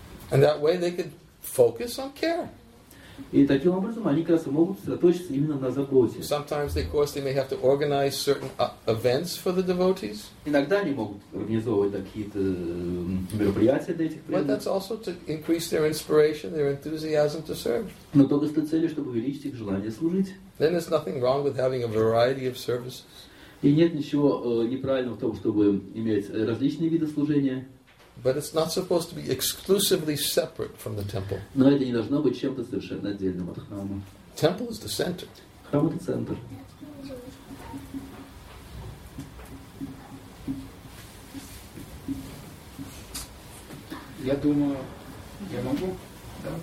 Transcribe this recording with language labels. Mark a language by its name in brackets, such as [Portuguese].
[English] And that way they could focus on care. [Russian] И таким образом они как раз могут сосредоточиться именно на заботе. [English] Sometimes, of course, they may have to organize certain events for the devotees. [Russian] Иногда они могут организовывать какие-то мероприятия для этих преданных. [English] But that's also to increase their inspiration, their enthusiasm to serve. [Russian] Но только с той целью, чтобы увеличить их желание служить. [English] Then there's nothing wrong with having a variety of services. [Russian] И нет ничего неправильного в том, чтобы иметь различные виды служения. [English] But it's not supposed to be exclusively separate from the temple. [Russian] Но это не должно быть чем-то совершенно отдельным от храма. [English] Temple is the center. [Russian] Храм — это центр. Я думаю, я могу, да?